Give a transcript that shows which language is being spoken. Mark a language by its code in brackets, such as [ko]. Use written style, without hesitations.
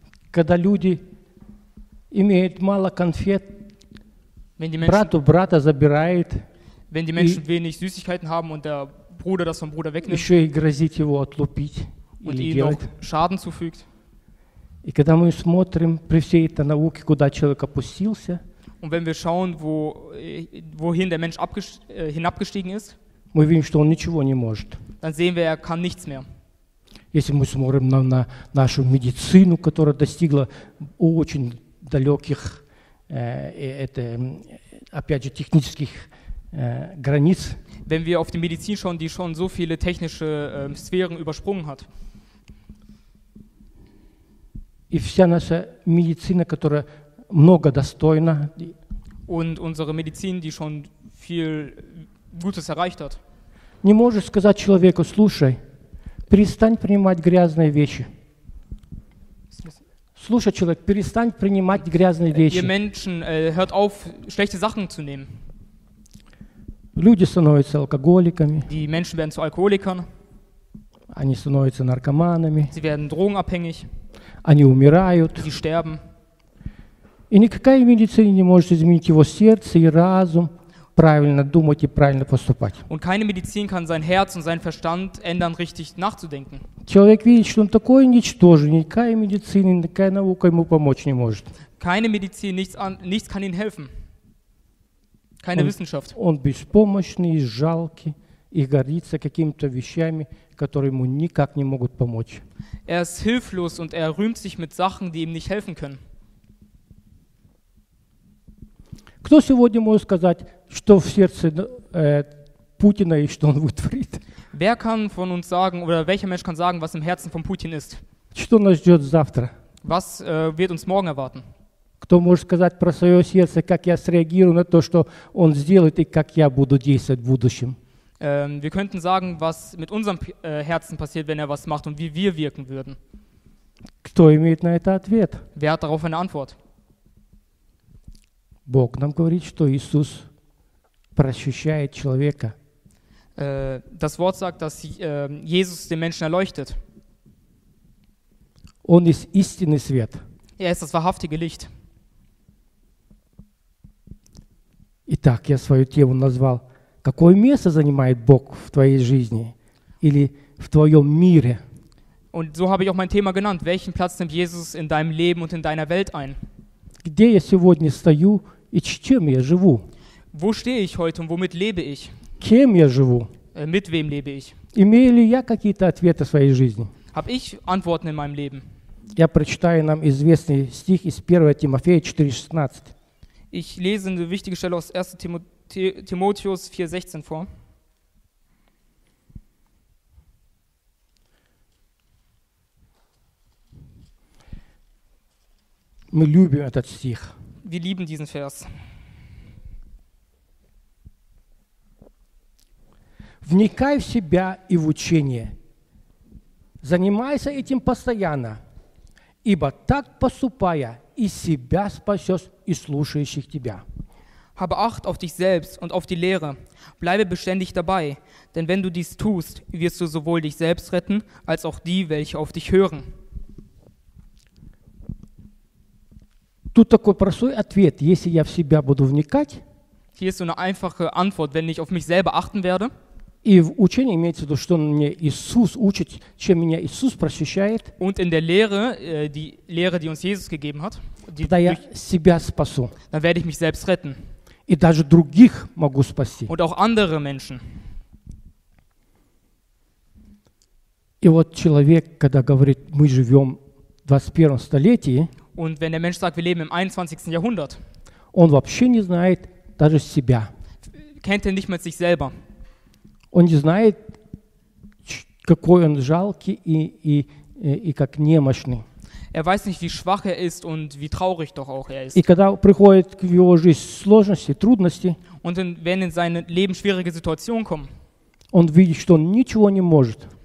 [ru] когда люди имеют мало конфет, брат у брата забирает, [de] wenn die Menschen wenig Süßigkeiten haben und der Bruder das vom Bruder wegnimmt, [ru] еще и грозит его отлупить [de] und ihnen noch Schaden zufügt. [ru] И когда мы смотрим при всей этой науке, куда человек опустился, [de] und wenn wir schauen, wohin der Mensch hinabgestiegen ist, [ru] мы видим, что он ничего не может. [de] Dann sehen wir, er kann nichts mehr. [ru] Если мы смотрим на нашу медицину, которая достигла очень далеких, опять же, технических границ. [de] Wenn wir auf die Medizin schauen, die schon so viele technische Sphären übersprungen hat. [ru] И вся наша медицина, которая много достойна. [de] Und unsere Medizin, die schon viel Gutes erreicht hat. [ru] Не можешь сказать человеку, слушай, перестань принимать грязные вещи. Слушай, человек, перестань принимать грязные вещи. [de] Ihr Menschen, hört auf, schlechte Sachen zu nehmen. [ru] Люди становятся алкоголиками. [de] Die Menschen werden zu Alkoholikern. [ru] Они становятся наркоманами. [de] Sie werden drogenabhängig. [ru] Они умирают. [de] Sie sterben. [ru] И никакая медицина не может изменить его сердце и разум. Правильно думать и правильно поступать. [de] Und keine Medizin kann sein Herz und sein Verstand ändern, richtig nachzudenken. [ru] Человек видит, что он такой ничтожен, никакая медицина, никакая наука ему помочь не может. [de] Keine Medizin, nichts kann ihm helfen. Keine Wissenschaft. [ru] Он беспомощный, жалкий и гордится какими-то вещами, которые ему никак не могут помочь. [de] Er ist hilflos und er rühmt sich mit Sachen, die ihm nicht helfen können. [ru] Кто сегодня может сказать, что в сердце Путина и что он вытворит? [de] Wer kann von uns sagen, oder welcher Mensch kann sagen, was im Herzen von Putin ist? [ru] Что нас ждет завтра? [de] Was wird uns morgen erwarten? [ru] Кто может сказать про свое сердце, как я среагирую на то, что он сделает, и как я буду действовать в будущем? [de] Wir könnten sagen, was mit unserem Herzen passiert, wenn er was macht, und wie wir wirken würden. [ru] Кто имеет на это ответ? [de] Wer hat darauf eine Antwort? [ru] Бог нам говорит, что Иисус просвещает человека. [de] Das Wort sagt, dass Jesus den Menschen erleuchtet. [ru] Он [de] ist [ru] истинный свет. [de] Er ist das wahrhaftige Licht. [ru] Итак, я свою тему назвал. Какое место занимает Бог в твоей жизни или в твоем мире? [de] Und so habe ich auch mein Thema genannt. Welchen Platz nimmt Jesus in deinem Leben und in deiner Welt ein? [ru] Где я сегодня стою? И чем я живу? [de] Wo stehe ich heute und womit lebe ich? [ru] Кем я живу? [de] Mit wem lebe ich? [ru] Имею ли я какие-то ответы в своей жизни? [de] Hab ich Antworten in meinem Leben? [ru] Я прочитаю нам известный стих из 1 Тимофея 4:16. [de] Ich lese eine wichtige Stelle aus 1. Timotheus 4:16 vor. [ru] Мы любим этот стих. [de] Wir lieben diesen Vers. [ru] Вникай в себя и в учение. Занимайся этим постоянно, ибо так поступая, и себя спасешь, и слушающих тебя. [de] Habe Acht auf dich selbst und auf die Lehre. Bleibe beständig dabei, denn wenn du dies tust, wirst du sowohl dich selbst retten, als auch die, welche auf dich hören. [ru] Тут такой простой ответ. Если я в себя буду вникать, [de] Hier ist so eine einfache Antwort, wenn ich auf mich selber achten werde. [ru] И в учении имеется в виду, что мне Иисус учит, чем меня Иисус просвещает. [de] Und in der Lehre, die Lehre, die uns Jesus gegeben hat, die durch, [ru] я себя спасу. [de] Dann werde ich mich selbst retten. [ru] И даже других могу спасти. [de] Und auch andere Menschen. [ru] И вот человек, когда говорит, мы живем в 21 столетии, [de] und wenn der Mensch sagt, wir leben im 21. Jahrhundert, [ru] он вообще не знает даже себя. [de] Kennt er nicht mehr sich selber. [ru] Он не знает, какой он жалкий и как немощный. [de] Er weiß nicht, wie schwach er ist und wie traurig doch auch er ist. [ru] И когда приходят к его жизни сложности, трудности, [de] und wenn in sein Leben schwierige Situationen kommen, [ru] он видит, что он ничего не может.